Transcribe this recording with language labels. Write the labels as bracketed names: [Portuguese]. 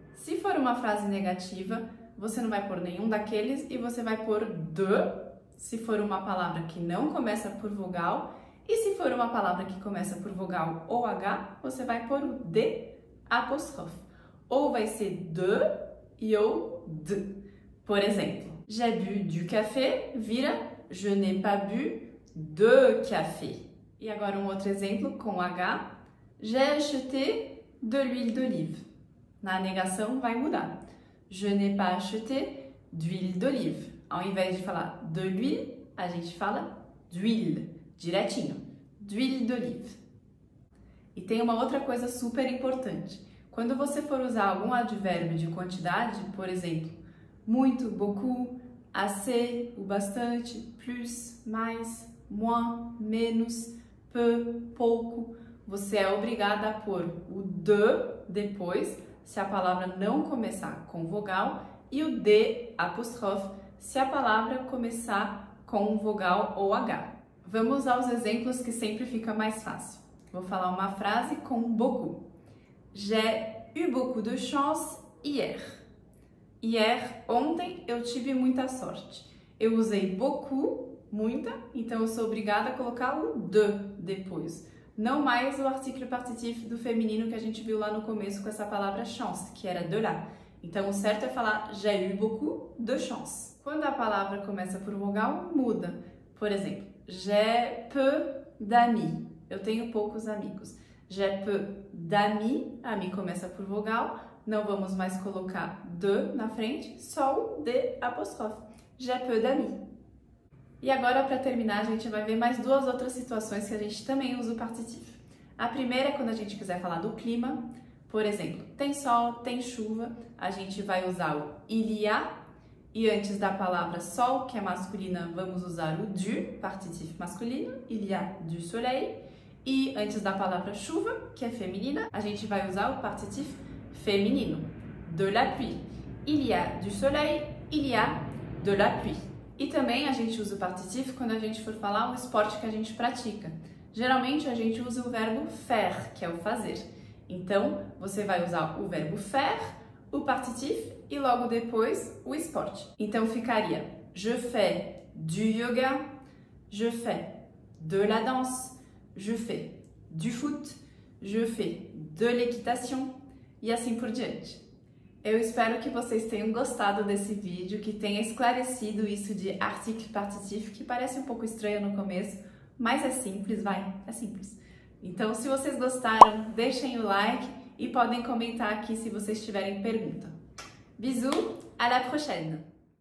[Portuguese] Se for uma frase negativa, você não vai pôr nenhum daqueles e você vai pôr de, se for uma palavra que não começa por vogal, e se for uma palavra que começa por vogal ou H, você vai pôr o de apostrophe. Ou vai ser de e ou de. Por exemplo, [French] j'ai bu du café, [Portuguese] vira [French] je n'ai pas bu de café. [Portuguese] E agora um outro exemplo com H, [French] j'ai acheté de l'huile d'olive. [Portuguese] Na negação vai mudar. [French] Je n'ai pas acheté d'huile d'olive. [Portuguese] Ao invés de falar de l'huile, a gente fala d'huile, direitinho. D'huile d'olive. E tem uma outra coisa super importante. Quando você for usar algum advérbio de quantidade, por exemplo, muito, beaucoup, assez, o bastante, plus, mais, moins, menos, peu, pouco, você é obrigada a pôr o de depois, se a palavra não começar com vogal, e o de apostrophe, se a palavra começar com vogal ou H. Vamos aos exemplos que sempre fica mais fácil. Vou falar uma frase com beaucoup. [French] J'ai eu beaucoup de chance hier. [Portuguese] Hier, ontem, eu tive muita sorte. Eu usei beaucoup, muita, então eu sou obrigada a colocar o de depois. Não mais o artigo participe do feminino que a gente viu lá no começo com essa palavra chance, que era de lá. Então o certo é falar [French] j'ai eu beaucoup de chance. [Portuguese] Quando a palavra começa por vogal, muda. Por exemplo, [French] j'ai peu d'amis. [Portuguese] Eu tenho poucos amigos. [French] J'ai peu d'amis. [Portuguese] Ami começa por vogal. Não vamos mais colocar de na frente, só o de apostrophe. [French] J'ai peu d'amis. [Portuguese] E agora, para terminar, a gente vai ver mais duas outras situações que a gente também usa o participe. A primeira é quando a gente quiser falar do clima. Por exemplo, tem sol, tem chuva, a gente vai usar o il y a. E antes da palavra sol, que é masculina, vamos usar o du, participe masculino, [French] il y a du soleil. [Portuguese] E antes da palavra chuva, que é feminina, a gente vai usar o participe feminino, de la pluie. [French] Il y a du soleil, il y a de la pluie. [Portuguese] E também a gente usa o participe quando a gente for falar o esporte que a gente pratica. Geralmente a gente usa o verbo faire, que é o fazer. Então, você vai usar o verbo faire, o participe e logo depois o esporte. Então ficaria: [French] je fais du yoga, je fais de la danse, je fais du foot, je fais de l'équitation [Portuguese] e assim por diante. Eu espero que vocês tenham gostado desse vídeo, que tenha esclarecido isso de article participe, que parece um pouco estranho no começo, mas é simples, vai, é simples. Então, se vocês gostaram, deixem o like e podem comentar aqui se vocês tiverem pergunta. [French] Bisous, à la prochaine!